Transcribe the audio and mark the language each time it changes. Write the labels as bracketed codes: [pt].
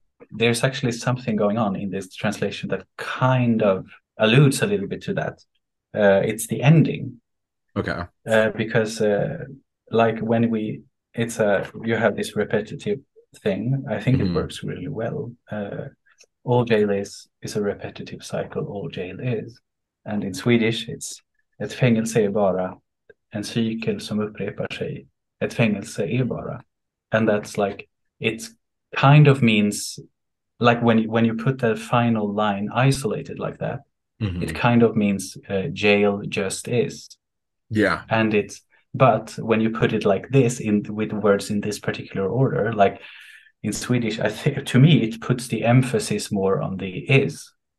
[en] there's actually something going on in this translation that kind of alludes a little bit to that. It's the ending, because like when we, it's a you have this repetitive thing. I think it works really well. All jail is a repetitive cycle. All jail is, and in Swedish, it's [sv] ett fängelse är bara en cykel som upprepar sig. Ett fängelse är bara. [en] And that's like it's kind of means like when you put that final line isolated like that, it kind of means jail just is. And it's but when you put it like this in with words in this particular order, like in Swedish, I think to me it puts the emphasis more on the is.